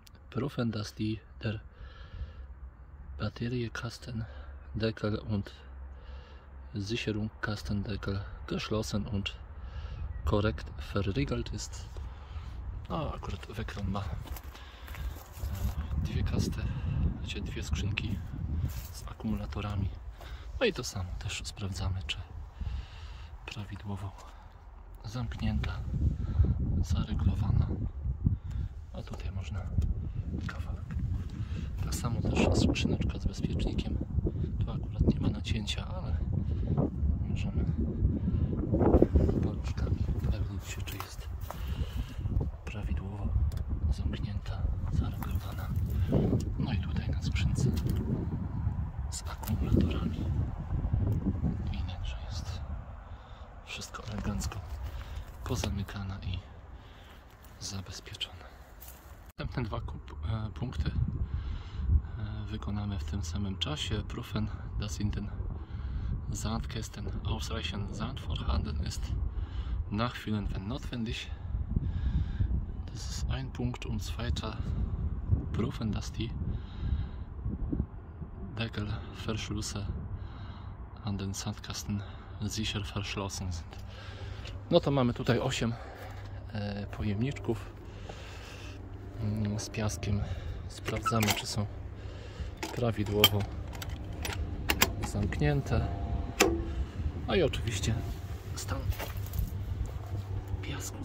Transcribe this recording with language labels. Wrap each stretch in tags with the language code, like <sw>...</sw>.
<de>Prüfen, dass die der Batteriekastendeckel und Sicherungskastendeckel geschlossen und korrekt verriegelt ist.</de> <pl>No, akurat Wekron ma dwie kasty, znaczy dwie skrzynki z akumulatorami. No i to samo, też sprawdzamy, czy prawidłowo zamknięta, zaregulowana. A tutaj można kawałek. Tak samo też skrzyneczka z bezpiecznikiem. Tu akurat nie ma nacięcia, ale możemy paluszkami upewnić się, czy jest prawidłowo zamknięta, zaregulowana. No i tutaj na skrzynce z akumulatorami widać, że jest wszystko elegancko pozamykane i zabezpieczone. Następne dwa punkty wykonamy w tym samym czasie.</pl> <de>Prüfen, dass in den Sandkästen ausreichend Sand vorhanden ist, nachfüllen, wenn notwendig. Das ist ein Punkt. Und zweiter, prüfen, dass die Deckelverschlüsse an den Sandkasten sicher verschlossen sind.</de> <pl>No to mamy tutaj 8 pojemniczków z piaskiem. Sprawdzamy, czy są prawidłowo zamknięte. No i oczywiście stan piasku.</pl>